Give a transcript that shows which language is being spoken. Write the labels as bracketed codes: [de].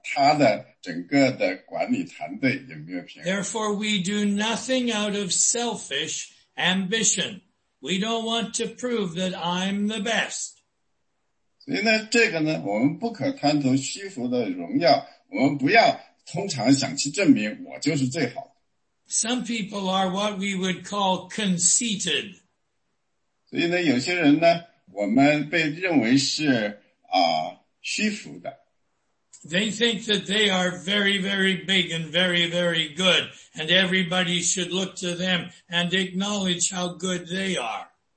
[zh] 所以呢，这里引起的一个问题呢，就是他心里没有平安，他的整个的管理团队也没有平安。 [en] Therefore, we do nothing out of selfish ambition. We don't want to prove that I'm the best. [zh] 所以呢，这个呢，我们不可贪图虚浮的荣耀，我们不要通常想去证明我就是最好。 [en] Some people are what we would call conceited. [zh] 所以呢，有些人呢，我们被认为是虚浮的。 [en] They think that they are very, very big and very, very good, and everybody should look to them and acknowledge how good they are.